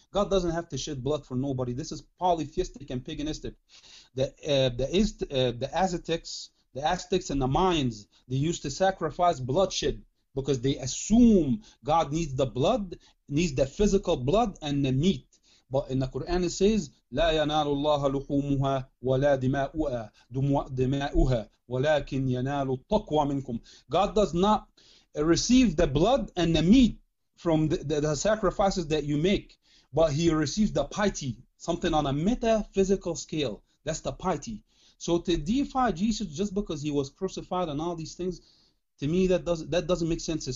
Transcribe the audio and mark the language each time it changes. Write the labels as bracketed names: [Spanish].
[English] God doesn't have to shed blood for nobody. This is polytheistic and paganistic. The Aztecs and the Mayans, they used to sacrifice bloodshed because they assume God needs the blood, needs the physical blood and the meat. But in the Quran it says, [Arabic] لا ينال الله لحومها ولا دماؤها ولكن ينال التقوى منكم. [English] God does not receive the blood and the meat from the sacrifices that you make, but he receives the piety, something on a metaphysical scale. That's the piety. So to deify Jesus just because he was crucified and all these things, to me, that doesn't make sense.